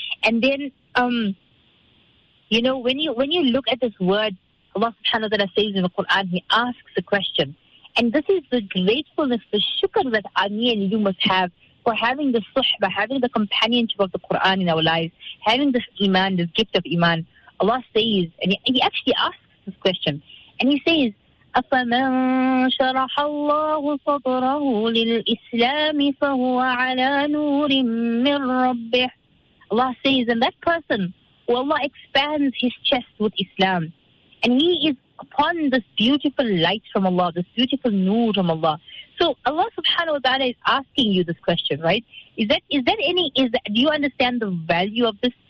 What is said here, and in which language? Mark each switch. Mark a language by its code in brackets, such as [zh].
[en] And then, you know, when you look at this word, Allah subhanahu wa ta'ala says in the Quran, he asks a question. And this is the gratefulness, the shukr that me and you must have for having the suhba, having the companionship of the Quran in our lives, having this iman, this gift of iman. Allah says, and he actually asks this question, and he says, [ar] أفمن شرح الله صدره للإسلام فهو على نور من ربه. [en] Allah says, and that person, well, Allah expands his chest with Islam, and he is upon this beautiful light from Allah, this beautiful nur from Allah. So Allah subhanahu wa ta'ala is asking you this question, right? Do you understand the value of this?